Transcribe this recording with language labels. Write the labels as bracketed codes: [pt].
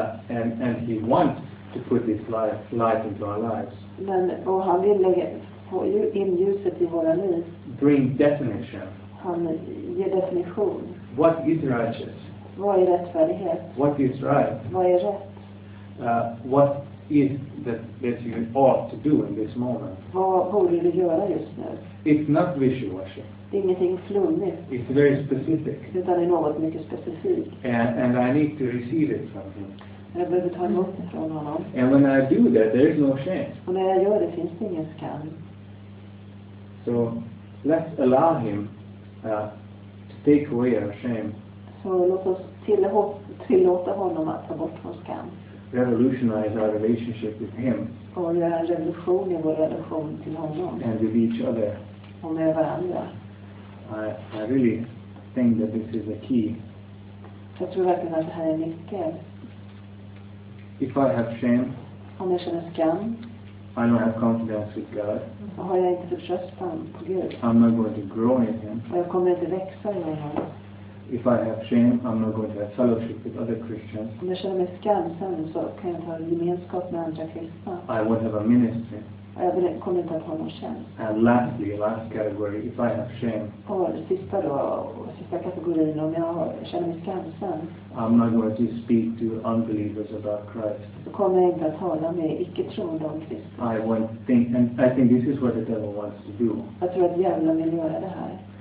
[en] And he wants to put this light into our lives. [sv] Men och han vill lägga få in ljuset i våra liv. [en] Bring definition. [sv] Han ger definition. [en] What is righteous? [sv] Vad är rättfärdighet? [en] What is right? [sv] Vad är rätt? [en] What is that you ought to do in this moment? [sv] Vad borde du göra just nu? [en] It's not wishy-washy. [sv] Det är ingenting flummigt. [en] It's very specific. [sv] Utan det är något mycket specifikt. [en] And I need to receive it from him. [sv] Jag behöver ta emot det från honom. [en] And when I do that, there is no shame. [sv] Och när jag gör det finns det ingen skam. [en] So let's allow him to take away our shame. [sv] Så låt oss tillåta honom att ta bort vår skam. [en] Revolutionize our relationship with him. [sv] Och göra en revolution i vår relation till honom. [en] And with each other. [sv] Och med varandra. [en] I really think that this is a key. [sv] Jag tror verkligen att det här är nyckel. [en] If I have shame. [sv] Om jag känner skam. [en] I don't have confidence with God. [sv] Och har jag inte förtröstan på Gud. [en] I'm not going to grow in him. [sv] Och jag kommer inte växa i honom. [en] If I have shame, I'm not going to have fellowship with other Christians. [sv] Om jag känner mig skam sen så kan jag inte ha gemenskap med andra kristna. [en] I won't have a ministry. [sv] Jag kommer inte att ha någon tjänst. [en] And lastly, last category, if I have shame. [sv] Och sista kategorin, om jag känner mig skam sen. [en] I'm not going to speak to unbelievers about Christ. [sv] Så kommer jag inte att tala med icke-troende om Kristus. [en] I won't think, and I think this is what the devil wants to do. [sv] Jag tror att djävulen vill göra det här.